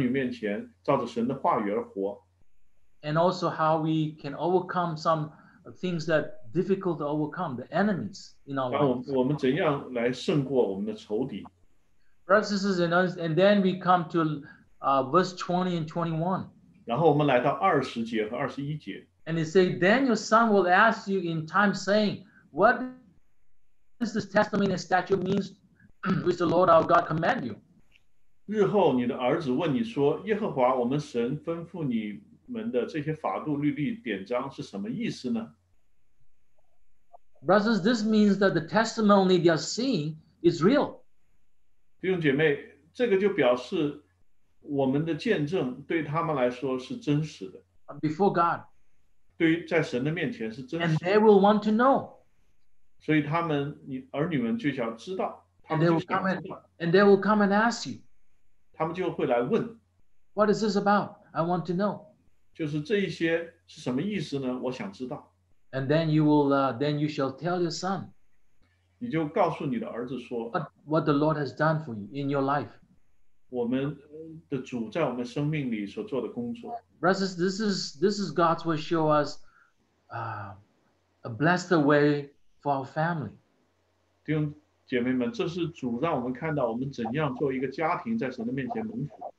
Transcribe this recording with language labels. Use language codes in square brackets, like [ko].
[zh] 我们怎样在我们的儿女面前照着神的话语而活。 [en] And also how we can overcome some things that are difficult to overcome, the enemies in our lives. [zh] 我们怎样来胜过我们的仇敌。 [en] Brothers and sisters, and then we come to verse 20 and 21. [zh] 然后我们来到20节和21节。 [en] And they say, then your son will ask you in time, saying, what does this testimony and statute mean which the Lord our God command you? [zh] 日后你的儿子问你说, 耶和华我们神吩咐你们的这些法度律例典章是什么意思呢? [en] Brothers, this means that the testimony they are seeing is real. [zh] 弟兄姐妹, 这个就表示我们的见证对他们来说是真实的。 [en] Before God. [zh] 对于在神的面前是真实的。 [en] And they will want to know. [zh] 所以他们, 儿女们就想知道, [en] and they will come and ask you. [zh] 他们就会来问, [en] what is this about? I want to know. [zh] 就是这一些是什么意思呢? 我想知道。 [en] And then you will, then you shall tell your son. [zh] 你就告诉你的儿子说, [en] what the Lord has done for you in your life. [zh] 我们的主在我们生命里所做的工作。 [en] Brothers, this is God's will show us a blessed way for our family. [zh] 弟兄姐妹们, 这是主让我们看到我们怎样做一个家庭在神的面前蒙福。